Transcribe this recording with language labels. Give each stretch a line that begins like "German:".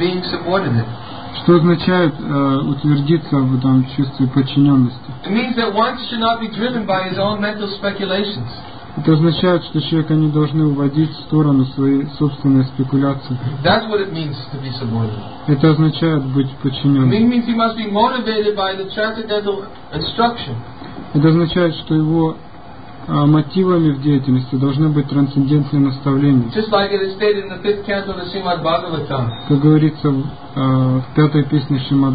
Russian: Что означает утвердиться в этом чувстве подчиненности?
English: It means that one should not be driven by his own mental speculations.
Russian: Это означает, что человека не должны уводить в сторону свои собственные спекуляции.
English: That's what it means to be subordinate.
Russian: Это означает быть подчиненным.
English: It means he must be motivated by the transcendental instruction.
Russian: Это означает, что его мотивами в деятельности должны быть трансцендентные наставления.
English: Just like it is stated in the fifth canto of the Srimad Bhagavatam.
Russian: Как говорится в пятой песне Шримад